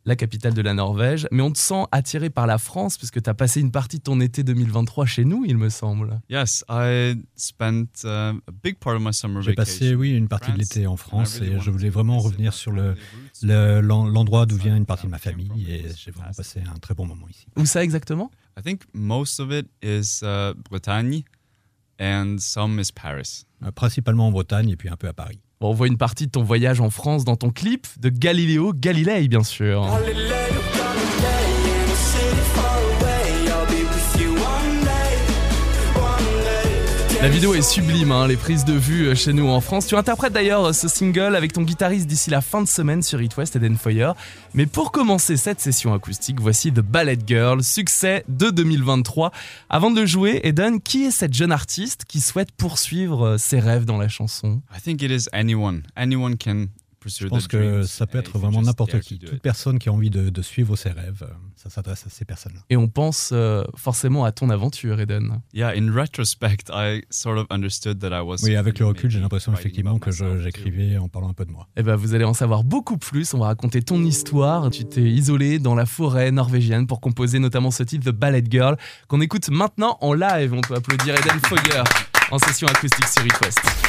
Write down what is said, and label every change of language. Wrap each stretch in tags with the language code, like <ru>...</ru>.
<fr>La capitale de la Norvège, mais on te sent attiré par la France, puisque tu as passé une partie de ton été 2023 chez nous, il me semble.</fr> <en>Yes, I spent a big part of my summer vacation.</en> <fr>J'ai passé, oui, une partie de l'été en France, et je voulais vraiment revenir sur l'endroit d'où vient une partie de ma famille, et j'ai vraiment passé un très bon moment ici. Où ça exactement?</fr> <en>I think most of it is Bretagne and some is Paris.</en> <fr>Principalement en Bretagne et puis un peu à Paris. Bon, on voit une partie de ton voyage en France dans ton clip de Galileo Galilei, bien sûr. La vidéo est sublime, hein, les prises de vue chez nous en France. Tu interprètes d'ailleurs ce single avec ton guitariste d'ici la fin de semaine sur Hit West, Eden Foyer. Mais pour commencer cette session acoustique, voici The Ballet Girl, succès de 2023. Avant de le jouer, Eden, qui est cette jeune artiste qui souhaite poursuivre ses rêves dans la chanson?</fr> <en>I think it is anyone. Anyone can pursue</en> <fr>Je pense que ça peut être vraiment n'importe qui. Toute personne qui a envie de suivre ses rêves, ça s'adresse à ces personnes-là. Et on pense forcément à ton aventure, Eden.</fr> <en>Yeah, in retrospect, I sort of understood that I was...</en> <fr>Oui, avec le recul, j'ai l'impression effectivement que j'écrivais en parlant un peu de moi. Eh bien, vous allez en savoir beaucoup plus. On va raconter ton histoire. Tu t'es isolé dans la forêt norvégienne pour composer notamment ce titre, The Ballet Girl, qu'on écoute maintenant en live. On peut applaudir Eden Foyer en session acoustique sur Hit West.</fr>